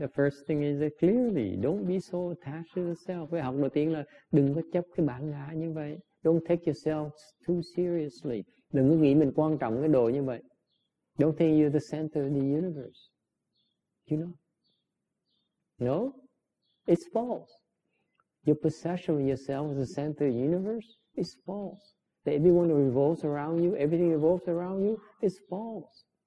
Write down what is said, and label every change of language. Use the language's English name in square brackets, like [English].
[English] The first thing is that clearly, don't be so attached to yourself. [Vietnamese] Bài học đầu tiên là đừng có chấp cái bản ngã như vậy. [English] Don't take yourself too seriously. [Vietnamese] Đừng có nghĩ mình quan trọng cái đồ như vậy. [English] Don't think you're the center of the universe. You know? No? It's false. Your possession of yourself as the center of the universe is false. That everyone revolves around you, everything revolves around you, is false.